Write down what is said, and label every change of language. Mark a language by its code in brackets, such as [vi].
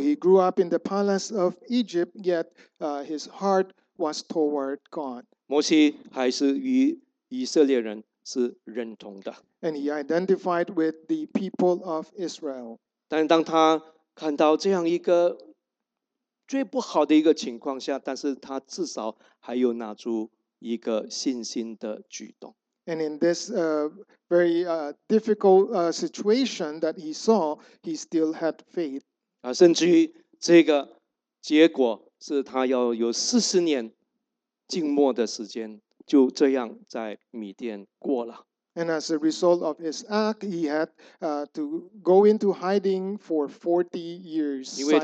[en] he grew up in the palace of Egypt, yet his heart was toward God. [zh] 摩西还是与以色列人 [en] And he identified with the people of Israel. [zh] 但当他看到这样一个最不好的一个情况下，但是他至少还有拿出一个信心的举动。 [en] And in this very difficult situation that he saw, he still had faith. [zh] 甚至于这个结果是他要有40年静默的时间，就这样在米甸过了。 [en] And as a result of his act, he had to go into hiding for 40 years.